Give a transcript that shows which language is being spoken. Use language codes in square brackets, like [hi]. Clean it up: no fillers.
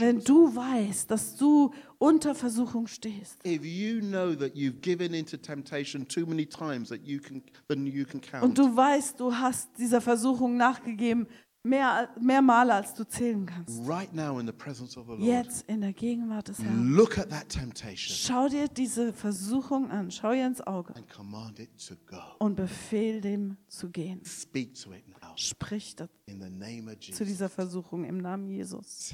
[de] wenn du weißt, dass du unter Versuchung stehst, [en] if you know that you've given into temptation too many times that you can count, [de] und du weißt, du hast dieser Versuchung nachgegeben mehr Male, als du zählen kannst. [en] Right now in the presence of the Lord, [de] jetzt in der Gegenwart des Herrn. [en] Look at that temptation. [de] Schau dir diese Versuchung an. Schau ihr ins Auge. [en] And command it to go. [de] Und befehl dem zu gehen. [en] Speak to it now. [de] Sprich [en] in the name of Jesus. [de] Zu dieser Versuchung im Namen Jesus.